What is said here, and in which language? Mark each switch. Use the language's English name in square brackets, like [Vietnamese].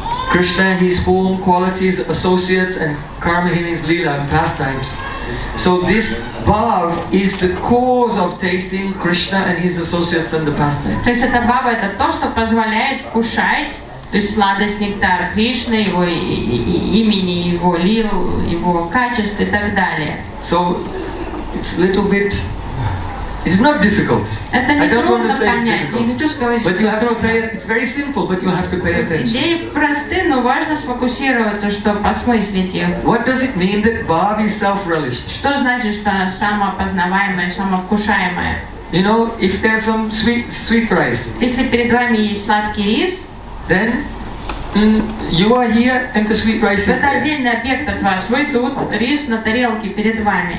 [English] Krishna, his form, qualities, associates, and karma in his lila and pastimes. So this bhav is the cause of tasting Krishna and his associates and the pastimes. [Russian] То есть это бхава это то, что позволяет кушать, то есть сладость нектара Кришны, его имени, его лил, его качеств и так далее. [English] So it's a little bit. It's not difficult. [Russian] Это не трудно понять. Я не хочу сказать, [English] but you have to pay. It's very simple, but you have to pay attention. [Russian] Идеи просты, но важно сфокусироваться, чтобы осмыслить их. [English] What does it mean that bhava is self-relished? [Russian] Что значит, что она самопознаваемая, самовкушаемая? [English] You know, if there's some sweet rice. [Russian] Если перед вами есть сладкий рис. [English] Then you are here, and the sweet rice is there. [Russian] Это отдельный объект от вас. Вы тут, рис на тарелке перед вами.